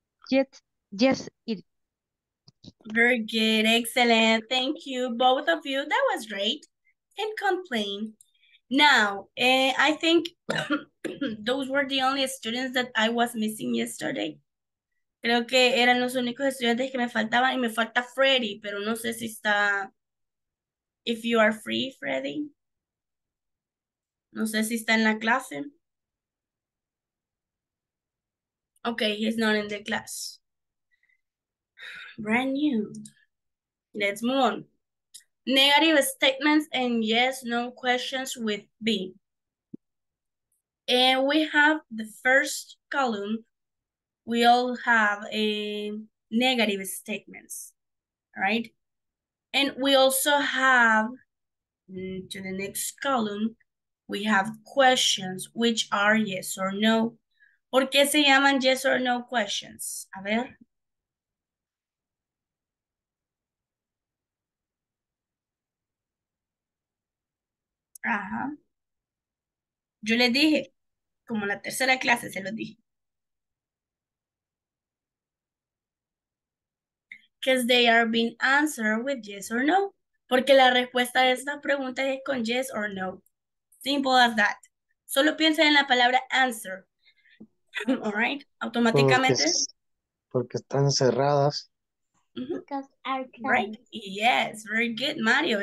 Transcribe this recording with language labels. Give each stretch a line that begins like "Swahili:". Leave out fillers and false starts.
English: Yes, it is. Very good, excellent. Thank you, both of you. That was great. Can't complain. Now, I think those were the only students that I was missing yesterday.
Spanish: Creo que eran los únicos estudiantes que me faltaban y me falta Freddy, pero no sé si está...
English: If you are free,
Spanish: Freddy. No sé si está en la clase.
English: Okay, he's not in the class. Brand new. Let's move on. Negative statements and yes, no questions with B. And we have the first column. We all have a negative statements, right? And we also have, to the next column, we have questions, which are yes or no.
Spanish: ¿Por qué se llaman
English: yes or no questions?
Spanish: A ver. Ajá. Yo les dije, como en la tercera clase se los dije.
English: Because they are being answered with yes or no.
Spanish: Porque la respuesta a esta pregunta es con yes or no.
English: Simple as that.
Spanish: Solo piensen en la palabra answer.
English: All right?
Spanish: Automáticamente. Porque están cerradas.
English: Mm-hmm. Right? Yes. Very good, Mario.